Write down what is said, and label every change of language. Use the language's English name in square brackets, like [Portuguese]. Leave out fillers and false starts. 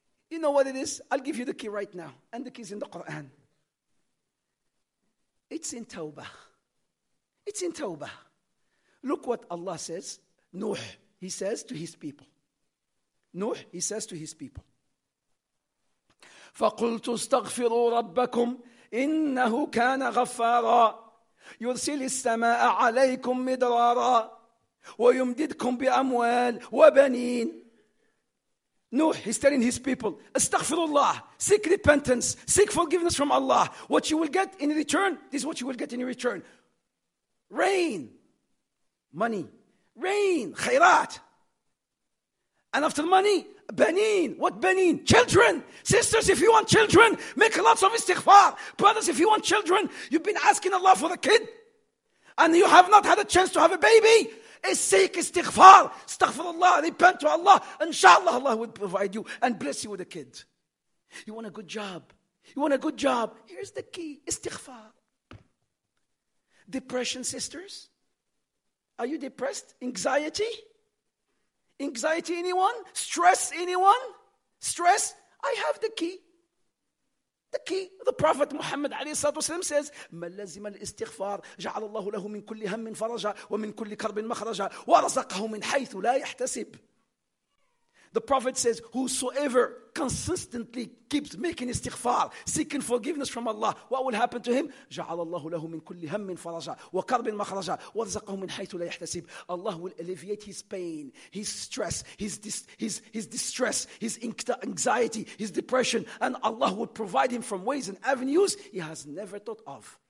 [English] You know what it is? I'll give you the key right now. And the key is in the Quran. It's in Tawbah. It's in Tawbah. Look what Allah says. Nuh, he says to his people. Nuh, he says to his people. [Arabic] فَقُلْتُ اسْتَغْفِرُوا رَبَّكُمْ إِنَّهُ كَانَ غَفَّارًا يُرْسِلِ السَّمَاءَ عَلَيْكُمْ مِدْرَارًا وَيُمْدِدْكُمْ بِأَمْوَالٍ وَبَنِينَ [English] Nuh, he's telling his people, Astaghfirullah, seek repentance, seek forgiveness from Allah. What you will get in return, this is what you will get in return. Rain, money. Rain, khairat. And after money, Baneen, what Baneen? Children. Sisters, if you want children, make lots of istighfar. Brothers, if you want children, you've been asking Allah for a kid and you have not had a chance to have a baby. Seek istighfar. Astaghfirullah, repent to Allah. Inshallah, Allah will provide you and bless you with a kid. You want a good job. You want a good job. Here's the key, istighfar. Depression, sisters. Are you depressed? Anxiety? Anxiety, anyone? Stress, anyone? Stress? I have the key. The key. The Prophet Muhammad says, [Arabic] مَنْ لَزِمَ الْإِسْتِغْفَارِ جَعَلَ اللَّهُ لَهُ مِنْ كُلِّ هَمٍ فَرَجًا وَمِنْ كُلِّ كَرْبٍ مَخْرَجًا وَرَزَقَهُ مِنْ حَيْثُ لَا يَحْتَسِبُ. [English] The Prophet says, whosoever consistently keeps making istighfar, seeking forgiveness from Allah, what will happen to him? [Arabic] جَعَلَ اللَّهُ لَهُ مِنْ كُلِّ هَمٍ فَرَجًا وَكَرْبٍ مَخْرَجًا وَرَزَقَهُ مِنْ حَيْثُ لَا يَحْتَسِبُ. [English] Allah will alleviate his pain, his stress, his distress, his anxiety, his depression, and Allah will provide him from ways and avenues he has never thought of.